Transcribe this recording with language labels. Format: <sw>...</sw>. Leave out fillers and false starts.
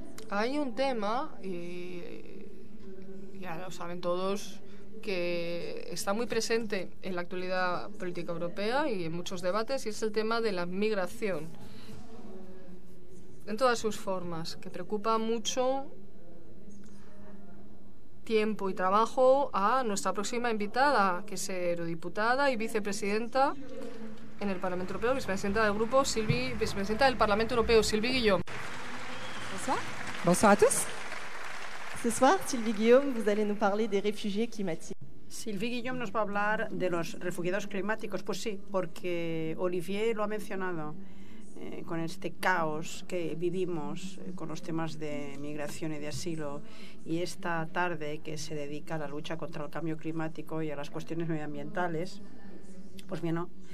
<es>Hay un tema, y ya lo saben todos, que está muy presente en la actualidad política europea y en muchos debates, y es el tema de la migración, en todas sus formas, que preocupa mucho tiempo y trabajo a nuestra próxima invitada, que es eurodiputada y vicepresidenta en el Parlamento Europeo, vicepresidenta del grupo Sylvie, vicepresidenta del Parlamento Europeo, Sylvie Guillaume.</es> <fr>Bonsoir. Bonsoir à tous. Ce soir, Sylvie Guillaume, vous allez nous parler des réfugiés climatiques.</fr> <es>Sylvie Guillaume nos va a hablar de los refugiados climáticos. Pues sí, porque Olivier lo ha mencionado, con este caos que vivimos con los temas de migración y de asilo, y esta tarde que se dedica a la lucha contra el cambio climático y a las cuestiones medioambientales, pues bien, ¿no?</es>